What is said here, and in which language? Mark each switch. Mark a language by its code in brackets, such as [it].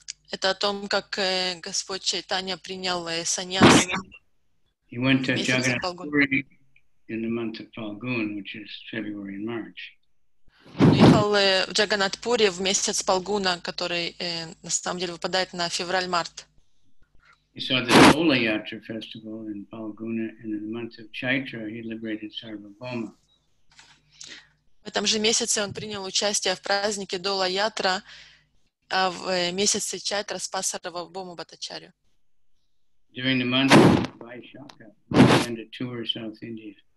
[ru] Это о том, как Господь Чайтанья принял саньяс. [en] He went to Jagannath Puri in the month of Phalgun, which is February and March. [ru] Уехал в Джаганат Пури в месяц Палгуна, который на самом деле выпадает на февраль-март. [en] He saw the Dholayatra festival in Palguna, and in the month of Chaitra he liberated Sarvabhauma. [ru] В этом же месяце он принял участие в празднике Дола-Ятра, а в месяце Чайтра спас Сарвабхаума Бхаттачарью. [en] During the month of Vaishakha, he began to tour South India.